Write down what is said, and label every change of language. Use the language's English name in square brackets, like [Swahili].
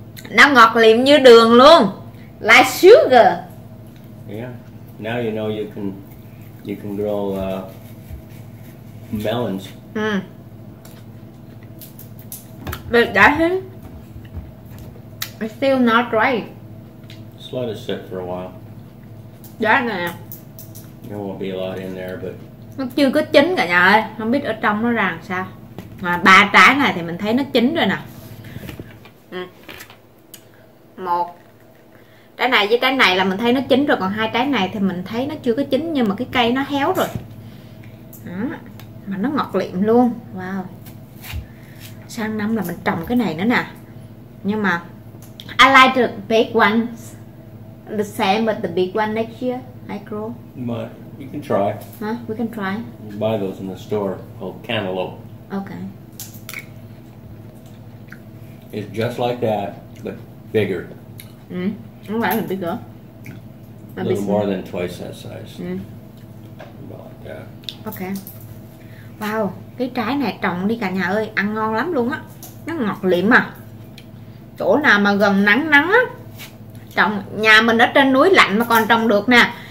[Vietnamese] Nó ngọt liệm như đường luôn. [English] Like sugar. Yeah. Now you know you can grow melons. But that is still not right. Just let it sit for a while. That nè. There won't be a lot in there, but. [Vietnamese] Nó chưa có chín cả nhà ơi, không biết ở trong nó ra làm sao. Mà ba trái này thì mình thấy nó chín rồi nè. Một trái này với trái này là mình thấy nó chín rồi, còn hai trái này thì mình thấy nó chưa có chín nhưng mà cái cây nó héo rồi. Đó. Mà nó ngọt liệm luôn. Wow. Sang năm là mình trồng cái này nữa nè. Nhưng mà [English] I like the big ones the same but the big one next year I grow. But you can try. Huh? We can try. You buy those in the store called cantaloupe. Okay. It's just like that but bigger. Mm. Okay, it's bigger. A little more than twice that size. Mm. About like that. Okay. [Vietnamese] Wow, cái trái này trồng đi cả nhà ơi, ăn ngon lắm luôn á. Nó ngọt liệm à. Chỗ nào mà gần nắng nắng á, trồng nhà mình ở trên núi lạnh mà còn trồng được nè.